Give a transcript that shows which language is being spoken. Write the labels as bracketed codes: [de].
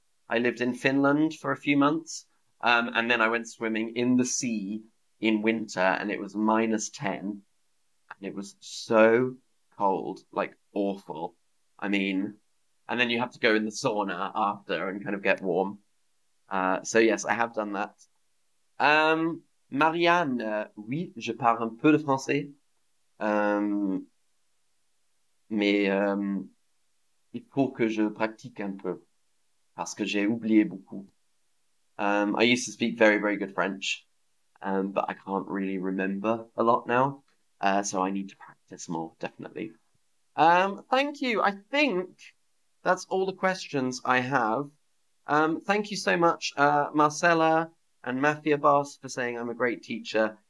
[en] I lived in Finland for a few months, and then I went swimming in the sea in winter, and it was minus 10, and it was so cold, like awful. I mean, and then you have to go in the sauna after and kind of get warm. So yes, I have done that. [fr] Marianne, oui, je parle un peu de français. Mais il faut que je pratique un peu parce que j'ai oublié beaucoup. [en] I used to speak very, very good French, but I can't really remember a lot now. So I need to practice more, definitely. Thank you. I think that's all the questions I have. Thank you so much, Marcella and Mafia Boss, for saying I'm a great teacher.